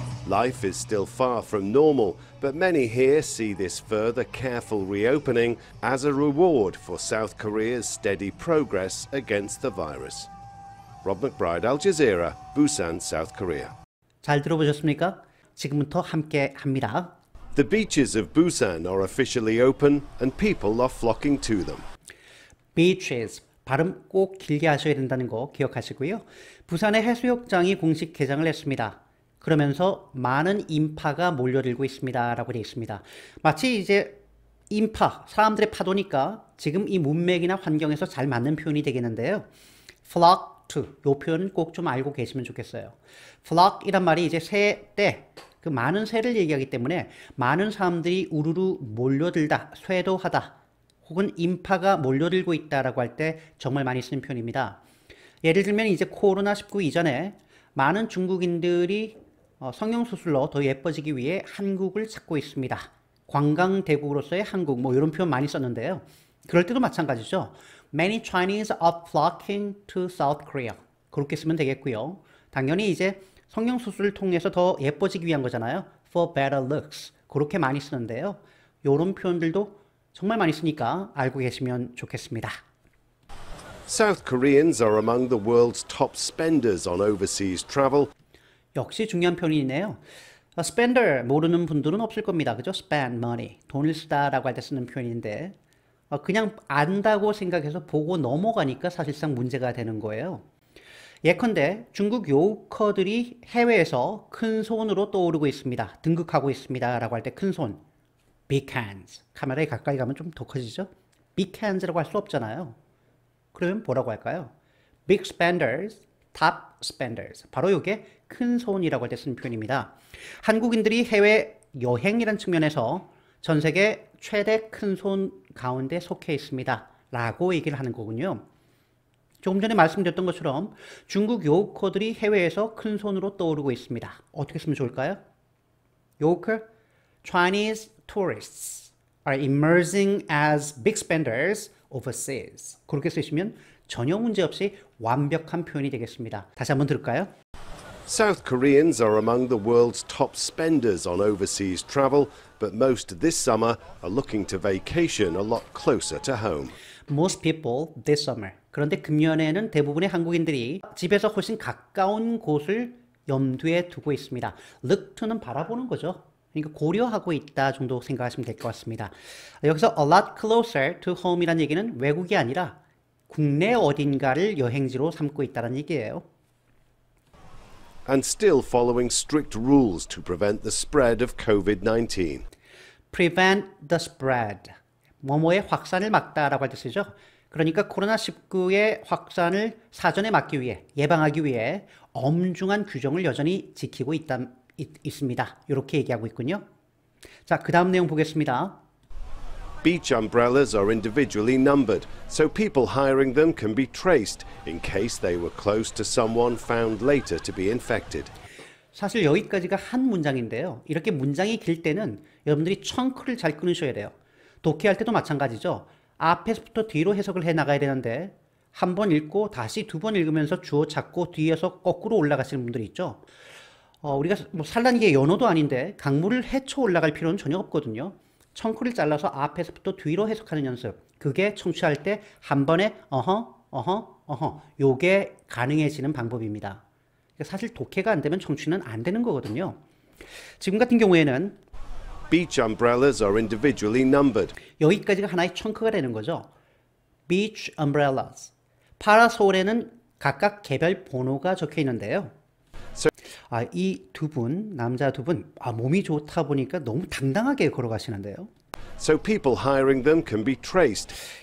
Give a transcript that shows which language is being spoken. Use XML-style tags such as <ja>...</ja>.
<en>Life is still far from normal, but many here see this further careful reopening as a reward for South Korea's steady progress against the virus. Rob McBride, Al Jazeera, Busan, South Korea.</en> <ko>잘 들어보셨습니까? 지금부터 함께 합니다.</ko> <en>The beaches of Busan are officially open and people are flocking to them. Beaches.</en> <ko>발음 꼭 길게 하셔야 된다는 거 기억하시고요. 부산의 해수욕장이 공식 개장을 했습니다. 그러면서 많은 인파가 몰려들고 있습니다라고 되어 있습니다. 마치 이제 인파, 사람들의 파도니까 지금 이 문맥이나 환경에서 잘 맞는 표현이 되겠는데요. flock to, 요 표현은 꼭좀 알고 계시면 좋겠어요. flock이란 말이 이제 새, 떼, 그 많은 새를 얘기하기 때문에 많은 사람들이 우르르 몰려들다, 쇄도하다, 혹은 인파가 몰려들고 있다라고 할때 정말 많이 쓰는 표현입니다. 예를 들면 이제 코로나19 이전에 많은 중국인들이 성형수술로 더 예뻐지기 위해 한국을 찾고 있습니다. 관광 대국으로서의 한국, 뭐 이런 표현 많이 썼는데요. 그럴 때도 마찬가지죠.</ko> <en>Many Chinese are flocking to South Korea.</en> <ko>그렇게 쓰면 되겠고요. 당연히 이제 성형수술을 통해서 더 예뻐지기 위한 거잖아요.</ko> <en>For better looks.</en> <ko>그렇게 많이 쓰는데요. 이런 표현들도 정말 많이 쓰니까 알고 계시면 좋겠습니다.</ko> <en>South Koreans are among the world's top spenders on overseas travel.</en> <ko>역시 중요한 표현이네요. spender, 모르는 분들은 없을 겁니다. 그죠?</ko> <en>spend money,</en> <ko>돈을 쓰다라고 할때 쓰는 표현인데, 그냥 안다고 생각해서 보고 넘어가니까 사실상 문제가 되는 거예요. 예컨대, 중국 요커들이 해외에서 큰 손으로 떠오르고 있습니다. 등극하고 있습니다라고 할때큰 손.</ko> <en>big hands.</en> <ko>카메라에 가까이 가면 좀더 커지죠?</ko> <en>big hands</en> <ko>라고 할수 없잖아요. 그러면 뭐라고 할까요?</ko> <en>big spenders. Top spenders.</en> <ko>바로 이게 큰 손이라고 할때 쓰는 표현입니다. 한국인들이 해외 여행이란 측면에서 전 세계 최대 큰손 가운데 속해 있습니다. 라고 얘기를 하는 거군요. 조금 전에 말씀드렸던 것처럼 중국 요커들이 해외에서 큰 손으로 떠오르고 있습니다. 어떻게 쓰면 좋을까요? 요커?</ko> <en>Chinese tourists are emerging as big spenders overseas.</en> <ko>그렇게 쓰시면 전혀 문제 없이 완벽한 표현이 되겠습니다. 다시 한번 들을까요?</ko> <en>South Koreans are among the world's top spenders on overseas travel, but most this summer are looking to vacation a lot closer to home. Most people this summer.</en> <ko>그런데 금년에는 대부분의 한국인들이 집에서 훨씬 가까운 곳을 염두에 두고 있습니다. Look to는 바라보는 거죠. 그러니까 고려하고 있다 정도 생각하시면 될 것 같습니다. 여기서</ko> <en>a lot closer to home</en> <ko>이라는 얘기는 외국이 아니라 국내 어딘가를 여행지로 삼고 있다는 얘기예요.</ko> <en>And still following strict rules to prevent the spread of COVID-19. Prevent the spread.</en> <ko>뭐뭐의 확산을 막다라고 할 뜻이죠. 그러니까 코로나19의 확산을 사전에 막기 위해, 예방하기 위해 엄중한 규정을 여전히 지키고 있습니다. 이렇게 얘기하고 있군요. 자, 그 다음 내용 보겠습니다.</ko> <en>Beach umbrellas are individually numbered, so people hiring them can be traced in case they were close to someone found later to be infected.</en> <ko>사실 여기까지가 한 문장인데요. 이렇게 문장이 길 때는 여러분들이 청크를 잘 끊으셔야 돼요. 독해할 때도 마찬가지죠. 앞에서부터 뒤로 해석을 해나가야 되는데 한번 읽고 다시 두번 읽으면서 주어 찾고 뒤에서 거꾸로 올라가시는 분들이 있죠. 우리가 뭐 살라는 게 연어도 아닌데 강물을 헤쳐 올라갈 필요는 전혀 없거든요. 청크를 잘라서 앞에서부터 뒤로 해석하는 연습. 그게 청취할 때 한 번에 어허, 어허, 어허. 요게 가능해지는 방법입니다. 사실 독해가 안 되면 청취는 안 되는 거거든요. 지금 같은 경우에는</ko> <en>Beach umbrellas are individually numbered.</en> <ko>여기까지가 하나의 청크가 되는 거죠.</ko> <en>Beach umbrellas.</en> <ko>파라솔에는 각각 개별 번호가 적혀 있는데요. 아, 이 두 분, 남자 두 분, 아, 몸이 좋다 보니까 너무 당당하게 걸어가시는데요.</ko> <en>So people hiring them can be traced.</en>